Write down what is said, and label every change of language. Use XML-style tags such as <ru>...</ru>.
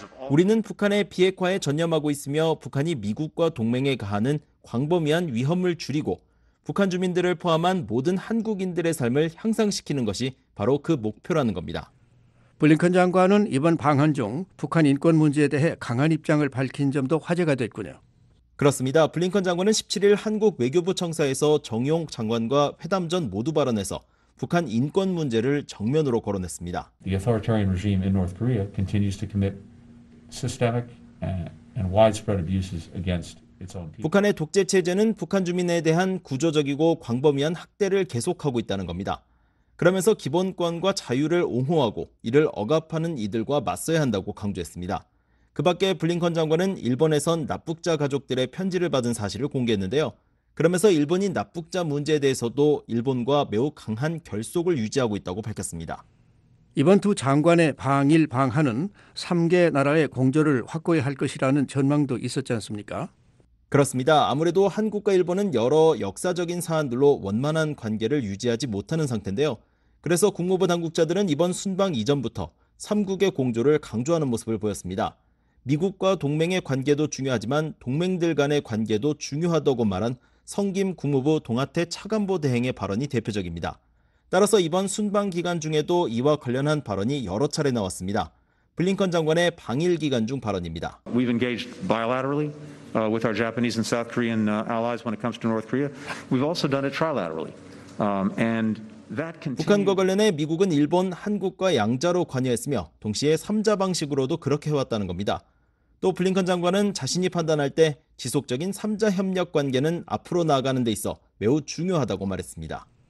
<ko>우리는 북한의 비핵화에 전념하고 있으며 북한이 미국과 동맹에 가하는 광범위한 위험을 줄이고 북한 주민들을 포함한 모든 한국인들의 삶을 향상시키는 것이 바로 그 목표라는 겁니다. 블링컨 장관은 이번 방한 중 북한 인권 문제에 대해 강한 입장을 밝힌 점도 화제가 됐군요. 그렇습니다. 블링컨 장관은 17일 한국 외교부 청사에서 정용 장관과 회담 전 모두 발언해서 북한 인권 문제를 정면으로 거론했습니다.</ko> <en>The authoritarian regime in North Korea continues to commit systemic and widespread abuses against its own people.</en> <ko>북한의 독재 체제는 북한 주민에 대한 구조적이고 광범위한 학대를 계속하고 있다는 겁니다. 그러면서 기본권과 자유를 옹호하고 이를 억압하는 이들과 맞서야 한다고 강조했습니다. 그 밖에 블링컨 장관은 일본에선 납북자 가족들의 편지를 받은 사실을 공개했는데요. 그러면서 일본이 납북자 문제에 대해서도 일본과 매우 강한 결속을 유지하고 있다고 밝혔습니다. 이번 두 장관의 방일 방한은 3개 나라의 공조를 확고히 할 것이라는 전망도 있었지 않습니까? 그렇습니다. 아무래도 한국과 일본은 여러 역사적인 사안들로 원만한 관계를 유지하지 못하는 상태인데요. 그래서 국무부 당국자들은 이번 순방 이전부터 3국의 공조를 강조하는 모습을 보였습니다. 미국과 동맹의 관계도 중요하지만 동맹들 간의 관계도 중요하다고 말한 성김 국무부 동아태 차관보 대행의 발언이 대표적입니다. 따라서 이번 순방 기간 중에도 이와 관련한 발언이 여러 차례 나왔습니다. 블링컨 장관의 방일 기간 중 발언입니다.</ko> <en>We've engaged bilaterally with our Japanese and South Korean allies when it comes to North Korea. We've also done it trilaterally. And</en> <ko>북한과 관련해 미국은 일본, 한국과 양자로 관여했으며 동시에 3자 방식으로도 그렇게 해왔다는 겁니다. 또 블링컨 장관은 자신이 판단할 때 지속적인 3자 협력 관계는 앞으로 나아가는 데 있어 매우 중요하다고 말했습니다.</ko>